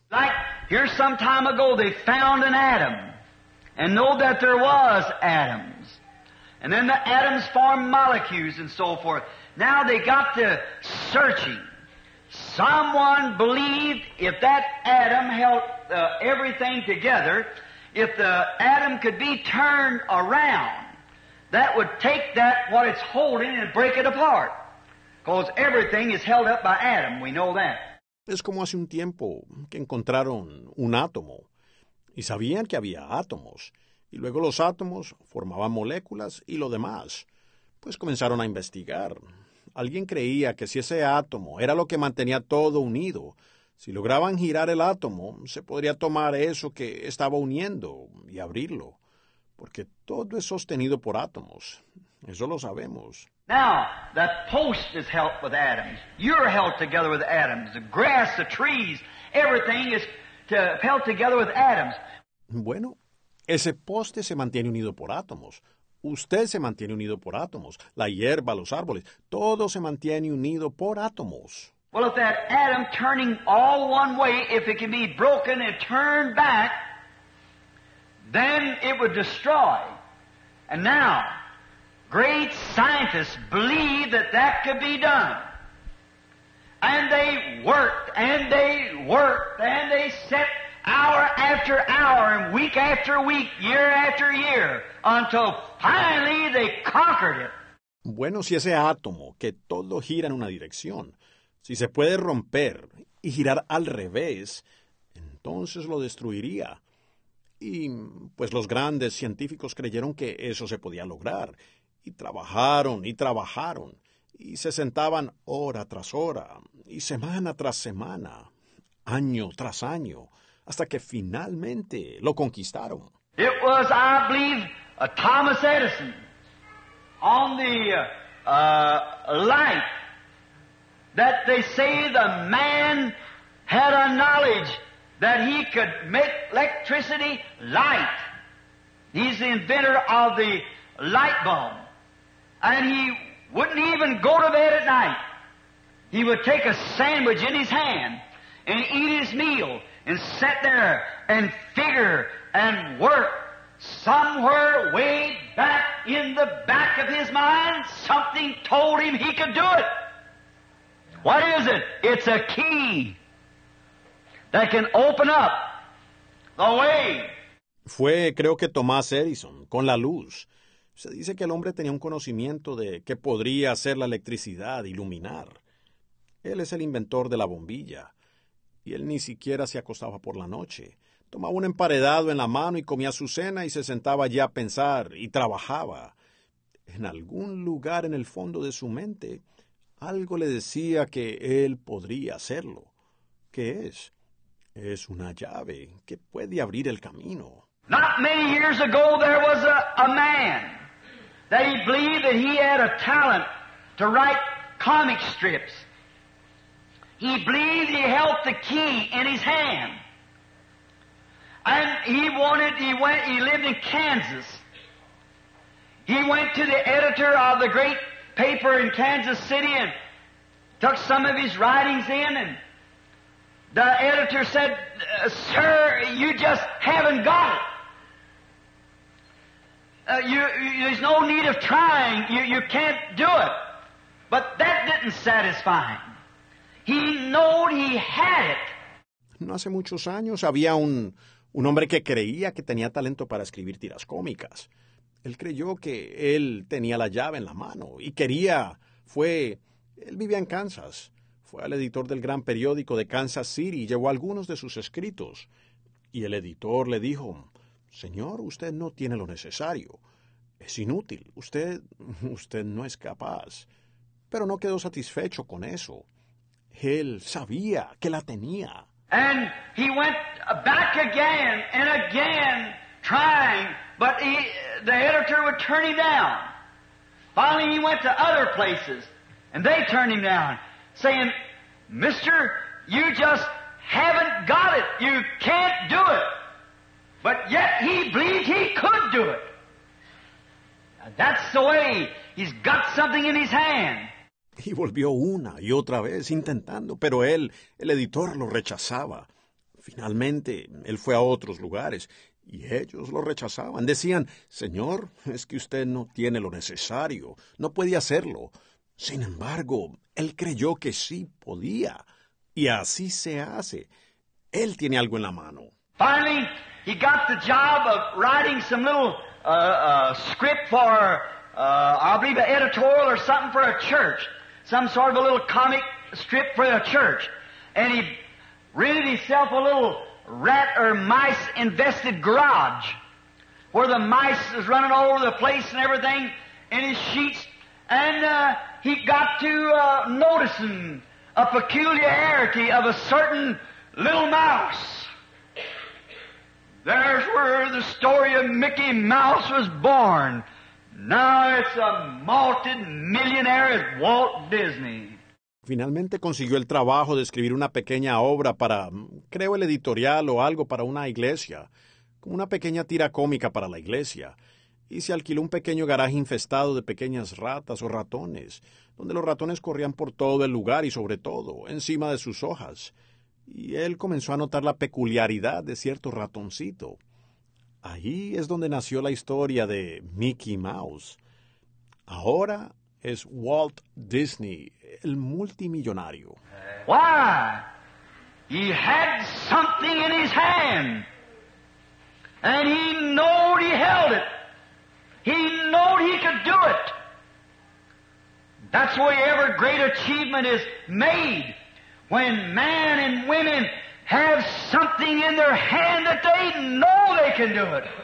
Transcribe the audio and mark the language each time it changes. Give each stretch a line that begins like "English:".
English: Like, here some time ago they found an atom and know that there was atoms. And then the atoms formed molecules and so forth. Now they got to searching. Someone believed if that atom held everything together, if the atom could be turned around, that would take that, what it's holding, and break it apart. Because everything is held up by atom, we know that.
Spanish: Es como hace un tiempo que encontraron un átomo, y sabían que había átomos, y luego los átomos formaban moléculas y lo demás. Pues comenzaron a investigar. Alguien creía que si ese átomo era lo que mantenía todo unido, si lograban girar el átomo, se podría tomar eso que estaba uniendo y abrirlo. Porque todo es sostenido por átomos. Eso lo sabemos.
English: Now, the post is held with atoms. You're held together with atoms. The grass, the trees, everything is held together with atoms.
Spanish: Bueno, ese poste se mantiene unido por átomos. Usted se mantiene unido por átomos. La hierba, los árboles, todo se mantiene unido por átomos.
English: Well, if that atom turning all one way, if it can be broken and turned back, then it would destroy. And now, great scientists believe that that could be done. And they worked, and they worked, and they set hour after hour, and week after week, year after year, until finally they conquered it.
Spanish: Bueno, si ese átomo, que todo gira en una dirección, si se puede romper y girar al revés, entonces lo destruiría. Y pues los grandes científicos creyeron que eso se podía lograr. Y trabajaron, y se sentaban hora tras hora, y semana tras semana, año tras año, hasta que finalmente lo conquistaron.
English: It was, I believe, Thomas Edison on the light that they say the man had a knowledge that he could make electricity light. He's the inventor of the light bulb. And he wouldn't even go to bed at night. He would take a sandwich in his hand and eat his meal and sit there and figure and work. Somewhere way back in the back of his mind, something told him he could do it. What is it? It's a key that can open up the way.
Spanish: Fue, creo que Tomás Edison, con la luz. Se dice que el hombre tenía un conocimiento de qué podría hacer la electricidad iluminar. Él es el inventor de la bombilla. Y él ni siquiera se acostaba por la noche. Tomaba un emparedado en la mano y comía su cena y se sentaba allí a pensar y trabajaba. En algún lugar en el fondo de su mente, algo le decía que él podría hacerlo. ¿Qué es? Es una llave que puede abrir el camino.
English: Not many years ago there was a man that he believed that he had a talent to write comic strips. He believed he held the key in his hand. And he lived in Kansas. He went to the editor of the great paper in Kansas City and took some of his writings in, and the editor said, "Sir, you just haven't got it. There's no need of trying. You can't do it." But that didn't satisfy him. He knew he had it.
Spanish: No hace muchos años había un hombre que creía que tenía talento para escribir tiras cómicas. Él creyó que él tenía la llave en la mano y quería. Él vivía en Kansas. Fue al editor del gran periódico de Kansas City y llevó algunos de sus escritos. Y el editor le dijo: "Señor, usted no tiene lo necesario. Es inútil. Usted no es capaz." Pero no quedó satisfecho con eso. Él sabía que la tenía.
English: And he went back again and again trying, but the editor would turn him down. Finally, he went to other places, and they turned him down, saying, "Mister, you just haven't got it. You can't do it." But yet he believed he could do it. That's the way. He's got something in his hand.
Spanish: Y volvió una y otra vez intentando, pero él, el editor, lo rechazaba. Finalmente, él fue a otros lugares y ellos lo rechazaban. Decían: "Señor, es que usted no tiene lo necesario. No puede hacerlo." Sin embargo, él creyó que sí podía. Y así se hace. Él tiene algo en la mano.
English: Finally, he got the job of writing some little script for, I believe, an editorial or something for a church. Some sort of a little comic strip for a church. And he rented himself a little rat or mice-invested garage where the mice was running all over the place and everything in his sheets. And he got to noticing a peculiarity of a certain little mouse. There's where the story of Mickey Mouse was born. Now it's a multi-millionaire at Walt Disney.
Spanish: Finalmente consiguió el trabajo de escribir una pequeña obra para, creo, el editorial o algo para una iglesia, como una pequeña tira cómica para la iglesia. Y se alquiló un pequeño garaje infestado de pequeñas ratas o ratones, donde los ratones corrían por todo el lugar y sobre todo encima de sus hojas. Y él comenzó a notar la peculiaridad de cierto ratoncito. Ahí es donde nació la historia de Mickey Mouse. Ahora es Walt Disney, el multimillonario.
English: Why? He had something in his hand. And he knew he held it. He knew he could do it. That's the way every great achievement is made, when man and women have something in their hand that they know they can do it.